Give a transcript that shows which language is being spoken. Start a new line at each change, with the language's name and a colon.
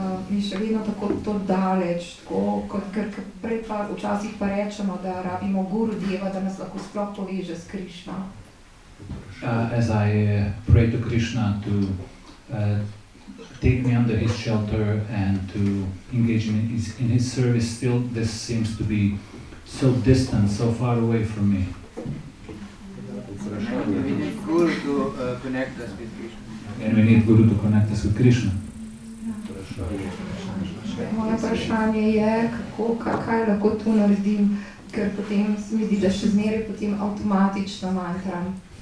Slovenian: Mi še vedno tako to daleč, tako, ker prej pa včasih pa rečemo, da rabimo guru deva, da nas lahko sploh poveže s Krišno.
English: As I pray to Krishna to take me under his shelter and to engage me in his service, still this seems to be so distant, so far away from me. And we need Guru to connect us with Krishna.
Slovenian: Moje vprašanje je, kaj lahko tu naredim, ker potem se mi zdi, da še zmeraj potem avtomatično mantram.